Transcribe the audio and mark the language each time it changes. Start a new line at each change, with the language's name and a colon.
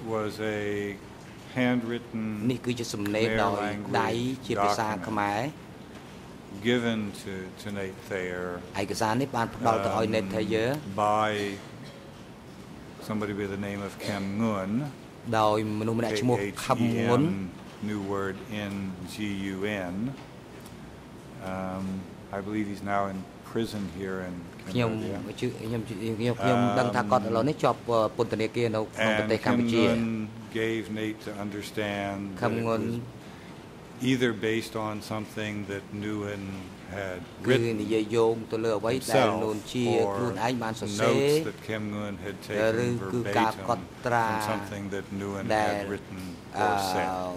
English: was a handwritten Khmer language document given to Nate Thayer.
Khmer: ឯកសារនេះបានផ្ដល់ទៅឲ្យ Nate Thayer
English: by somebody by the name of Kim Nguyen.
Khmer: ដោយមនុស្សម្នាក់ឈ្មោះ Kim Nguyen.
English: New word N G U N. I believe he's now in prison here in Cambodia.
Khmer: ខ្ញុំខ្ញុំដឹងថាគាត់ឥឡូវនេះជាប់ពន្ធនាគារនៅក្នុងប្រទេសកម្ពុជា.
English: And Kim Nguyen gave Nate to understand Kim Nguyen. Either based on something that Nguyen had written himself, or notes that Kim Nguyen had taken verbatim from something that Nguyen had written or said.